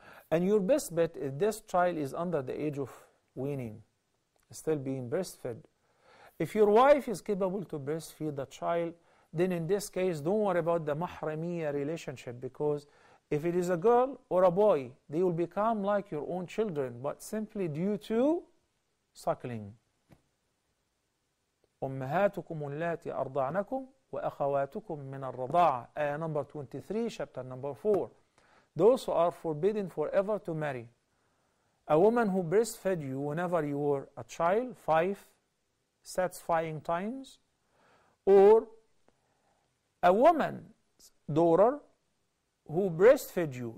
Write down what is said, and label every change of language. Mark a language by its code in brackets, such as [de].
[en] And your best bet is this child is under the age of weaning, still being breastfed. If your wife is capable to breastfeed the child, then in this case, don't worry about the mahramiya relationship, because if it is a girl or a boy, they will become like your own children, but simply due to suckling. [ar] أمهاتكم اللاتي أرضعنكم وأخواتكم من الرضاعة. [en] Ayah number 23, chapter number 4. Those who are forbidden forever to marry. A woman who breastfed you whenever you were a child, 5. Satisfying times, or a woman's daughter who breastfed you.